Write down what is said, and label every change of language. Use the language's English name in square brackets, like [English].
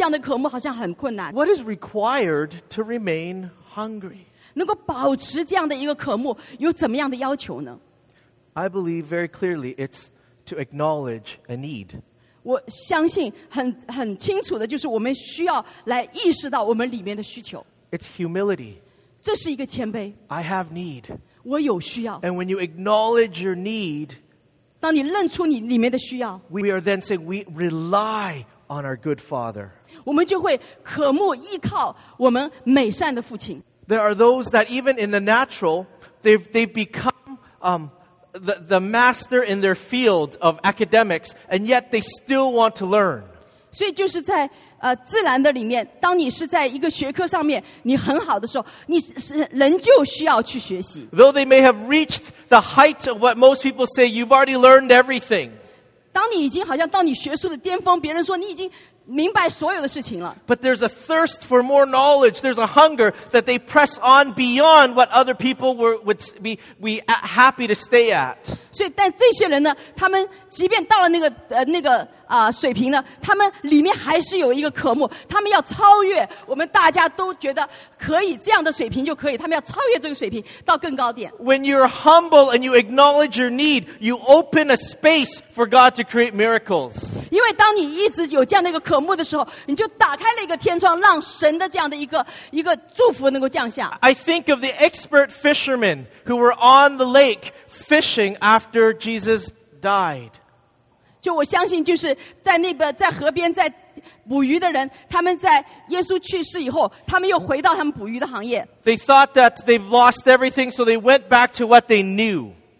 [English] What is required to remain hungry? I believe very clearly it's to acknowledge a need. [Chinese] 我相信很清楚的就是我们需要来意识到我们里面的需求。 [English] It's humility. [Chinese] 这是一个谦卑。 [English] I have need. [Chinese] 我有需要。 [English] And when you acknowledge your need, [Chinese] 当你认出你里面的需要, [English] we are then saying we rely on our good Father. [Chinese] 我们就会渴慕依靠我们美善的父亲。 [English] There are those that even in the natural, they've become the master in their field of academics, and yet they still want to learn. [Chinese] 所以就是在, 自然的里面, 当你是在一个学科上面, 你很好的时候, 你是仍旧需要去学习。 [English] Though they may have reached the height of what most people say, you've already learned everything. [Chinese] 当你已经好像到你学术的巅峰, 别人说你已经明白所有的事情了。 [English] But there's a thirst for more knowledge. There's a hunger that they press on beyond what other people would be happy to stay at. [Chinese] 所以但这些人呢, 他们即便到了那个水平呢, 他们里面还是有一个渴慕, 他们要超越我们大家都觉得可以这样的水平就可以, 他们要超越这个水平, 到更高点。 [English] When you're humble and you acknowledge your need, you open a space for God to create miracles. [Chinese] 因为当你一直有这样的一个渴慕的时候, 你就打开了一个天窗, 让神的这样的一个祝福能够降下。 [English] I think of the expert fishermen who were on the lake fishing after Jesus died. [Chinese] 就我相信就是在那边在河边在捕鱼的人, 他们在耶稣去世以后, 他们又回到他们捕鱼的行业。 [English] They thought that they've lost everything, so they went back to what they knew.